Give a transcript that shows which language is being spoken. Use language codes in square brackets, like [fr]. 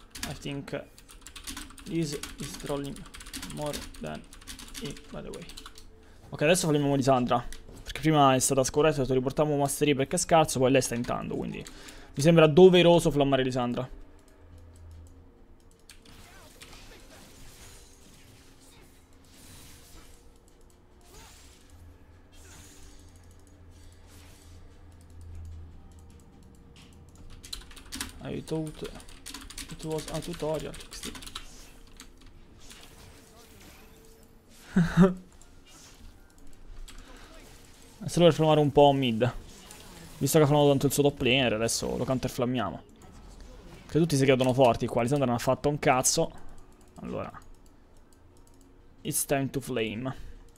[en] I think this is trolling more than he, by the way. [it] Ok, adesso falliamo Lissandra. Perché prima è stata scorretta, ho detto riportiamo Mastery perché è scarso, poi lei sta intanto, quindi mi sembra doveroso flammare Lissandra. [en] I thought it was a tutorial. [it] È solo per flammare un po' mid. Visto che ha flammato tanto il suo top laner, adesso lo counterflammiamo. Che tutti si credono forti qua. Lissandra non ha fatto un cazzo. [en] Allora, it's time to flame.